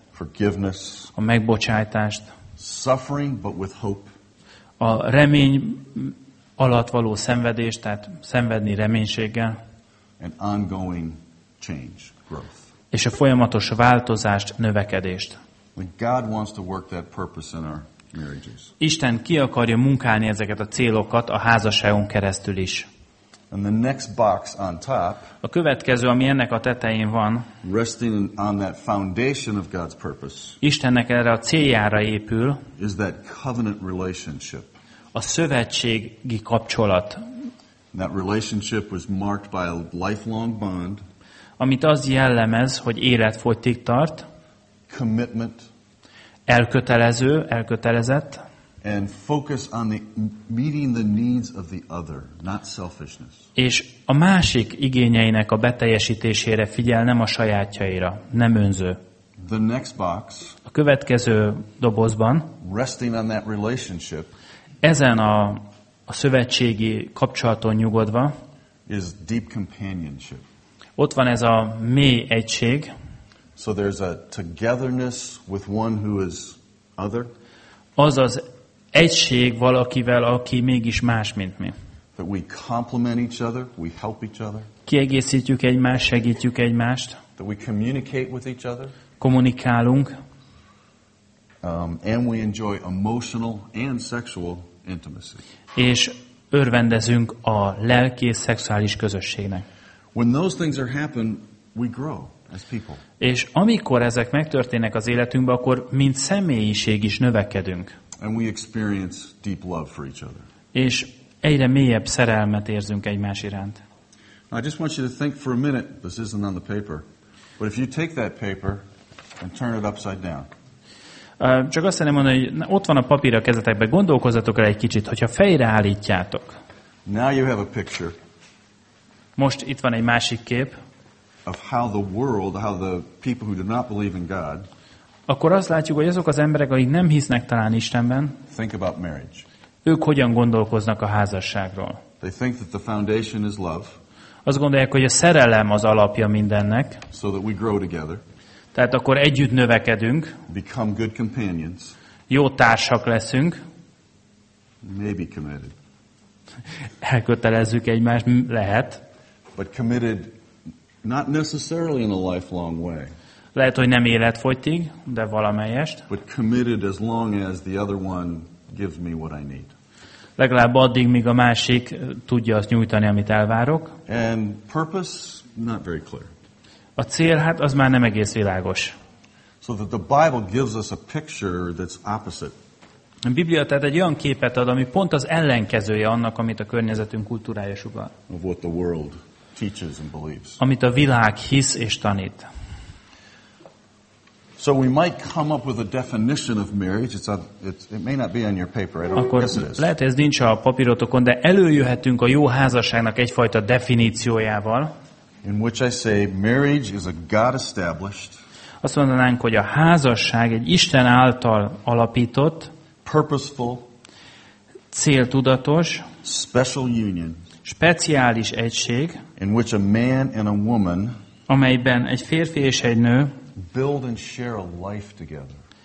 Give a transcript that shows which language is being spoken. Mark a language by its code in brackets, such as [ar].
[en] forgiveness, [hu] a megbocsátást, [en] suffering but with hope, [hu] a remény alatt való szenvedést, tehát szenvedni reménységgel, [en] and ongoing change, growth, [hu] és a folyamatos változást, növekedést. [en] When God wants to work that purpose in our marriages. [hu] Isten ki akarja munkálni ezeket a célokat a házasságon keresztül is. [en] And the next box on top. [hu] A következő, ami ennek a tetején van. [en] Resting on that foundation of God's purpose. [hu] Istennek erre a céljára épül. [en] Is that covenant relationship. [hu] A szövetségi kapcsolat. [en] And that relationship was marked by a lifelong bond. [hu] Amit az jellemez, hogy életfogytig tart. [en] Commitment. [hu] elkötelező, elkötelezett. [en] And focus on the meeting the needs of the other, not selfishness. [hu] És a másik igényeinek a beteljesítésére figyel, nem a sajátjaira, nem önző. [en] The next box. [hu] A következő dobozban. [en] Resting on that relationship. [hu] Ezen a szövetségi kapcsolaton nyugodva. [en] Is deep companionship. [hu] Ott van ez a mély egység. [en] So there's a togetherness with one who is other. [hu] Azaz egység valakivel, aki mégis más, mint mi. [en] That we complement each other, we help each other. [hu] Kiegészítjük egymást, segítjük egymást. [en] That we communicate with each other. [hu] Kommunikálunk. [en] And we enjoy emotional and sexual intimacy. [hu] És örvendezünk a lelki és szexuális közösségnek. [en] When those things are happen, we grow as people. [hu] És amikor ezek megtörténnek az életünkben, akkor mint személyiség is növekedünk. [en] And we experience deep love for each other. [hu] És egyre mélyebb szerelmet érzünk egymás iránt. [en] I just want you to think for a minute, this isn't on the paper, but if you take that paper and turn it upside down. [hu] Csak azt szeretném mondani, hogy ott van a papír a kezetekben, gondolkozzatok el egy kicsit, hogyha fejre állítjátok. [en] Now you have a picture. [hu] Most itt van egy másik kép. [en] Of how the world, how the people who do not believe in God. [hu] Akkor azt látjuk, hogy azok az emberek, akik nem hisznek talán Istenben, [en] think about marriage. [hu] Ők hogyan gondolkoznak a házasságról. [en] They think that the foundation is love. [hu] Azt gondolják, hogy a szerelem az alapja mindennek. [en] So that we grow together. [hu] Tehát akkor együtt növekedünk. [en] Become good companions. [hu] Jó társak leszünk. [en] Maybe committed. [hu] Elkötelezzük egymást, lehet. [en] But committed not necessarily in a lifelong way. [hu] Lehet, hogy nem életfogytig, de valamelyest. [en] But committed as long as the other one gives me what I need. [hu] Legalább addig, míg a másik tudja azt nyújtani, amit elvárok. [en] And purpose not very clear. [hu] A cél, hát az már nem egész világos. [en] So that the Bible gives us a picture that's opposite. [hu] A Biblia tehát egy olyan képet ad, ami pont az ellenkezője annak, amit a környezetünk kultúrája sugall. [en] Of what the world teaches and believes. [hu] Amit a világ hisz és tanít. [en] So we might come up with a definition of marriage. It may not be on your paper. I don't guess it is. [hu] Lehet, ez nincs a papírotokon, de előjöhetünk a jó házasságnak egyfajta definíciójával. [en] In which I say marriage is a God-established. [hu] Azt mondanánk, hogy a házasság egy Isten által alapított, [en] purposeful, [hu] céltudatos, [en] special union, [hu] speciális egység, [en] in which a man and a woman, [hu] amelyben egy férfi és egy nő [en] build and share a life together.